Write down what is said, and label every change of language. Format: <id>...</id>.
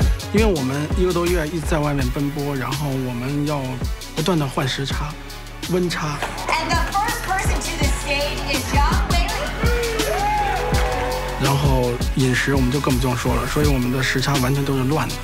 <zh>因为我们一个多月一直在外面奔波，然后我们要不断的换时差、温差。</zh> <en>And the first person to the stage is John Whaley。</en> <zh>然后饮食我们就更不用说了，所以我们的时差完全都是乱的。</zh>